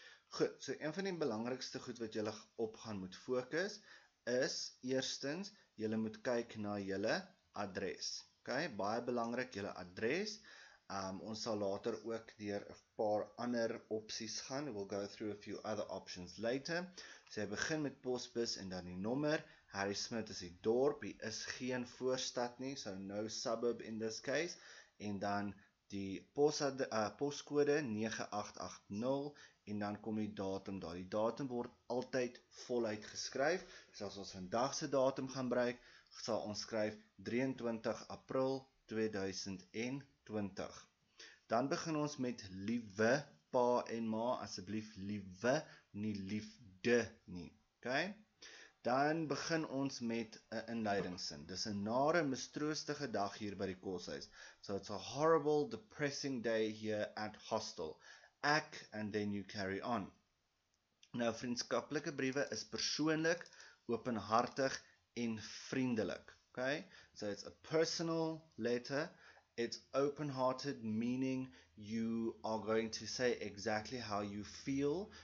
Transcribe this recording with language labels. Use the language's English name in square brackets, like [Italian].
[Afrikaans] Goed, so een van die belangrikste goed wat julle op gaan moet fokus is eerstens, julle moet kyk na julle adres. Okay, baie belangrik julle adres. Ons sal later ook deur 'n paar ander opsies gaan. [English] We'll go through a few other options later. [Afrikaans] So, jy begin met posbus en dan die nommer. Harry Smith is die dorp. Hy is geen voorstad nie. [English] So, no suburb in this case. [Afrikaans] En dan die poskode [English] 9880. [Afrikaans] En dan kom die datum daar. Die datum word altyd voluit geskryf. So, as ons vandag se datum gaan gebruik, sal ons skryf 23 April 2001. 20. Dan begin ons met liewe pa en ma, asseblief liewe, nie liefde nie. Okay? Dan begin ons met 'n inleidingssin. Dis 'n nare, mistroostige dag hier by die koshuis. [English] So it's a horrible, depressing day here at hostel. [Afrikaans] Ek, [English] and then you carry on. [Afrikaans] Nou, vriendskaplike briewe is persoonlik, openhartig en vriendelik. Okay? [English] So it's a personal letter. It's open-hearted, meaning you are going to say exactly how you feel.